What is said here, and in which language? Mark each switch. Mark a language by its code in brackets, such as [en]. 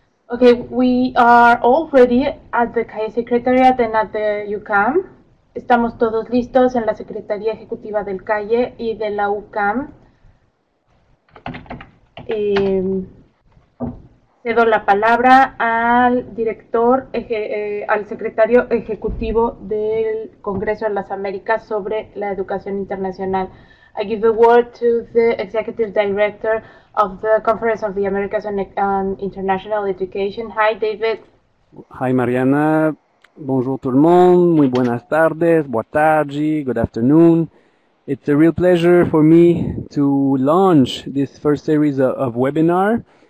[en] Okay, we are all ready at the CAIE Secretariat and at the UCAM. [es] Estamos todos listos en la Secretaría Ejecutiva del CAIE y de la UCAM. Cedo la palabra al director, al secretario ejecutivo del Congreso de las Américas sobre la educación internacional. [en] I give the word to the executive director of the Conference of the Americas on International Education. Hi, David. [es] Hi, Mariana. [fr] Bonjour tout le monde. [es] Muy buenas tardes. Buenas tardes. [en] Good afternoon. It's a real pleasure for me to launch this first series of webinar.